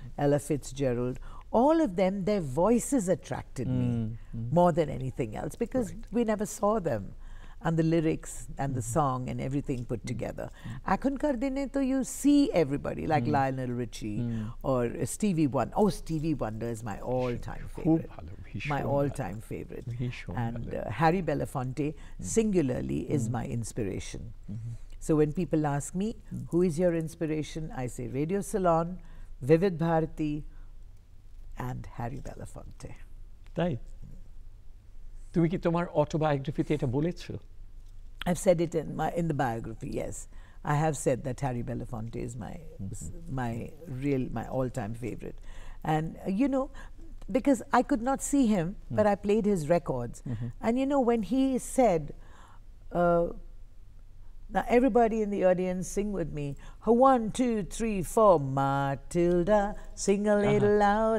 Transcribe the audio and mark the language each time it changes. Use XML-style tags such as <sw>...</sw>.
<en>Ella Fitzgerald all of them their voices attracted me more than anything else because we never saw them and the lyrics and the song and everything put together</en> <bn>akunkar dine to</bn> <en>you see everybody like Lionel Richie or Stevie Wonder is my all time favorite my all time favorite and Harry Belafonte singularly is my inspiration so when people ask me who is your inspiration I say Radio Salon Vivid Bharati and Harry Belafonte</en> <bn>tai তুমি কি তোমার অটোবায়োগ্রাফিতে এটা বলেছো</bn> <en>I've said it in the biography yes I have said that Harry Belafonte is my mm-hmm. my all-time favorite. And you know, because I could not see him, mm-hmm. but I played his records. Mm-hmm. And you know, when he said, now everybody in the audience sing with me, 1, 2, 3, 4, Matilda, sing a little uh-huh.</en>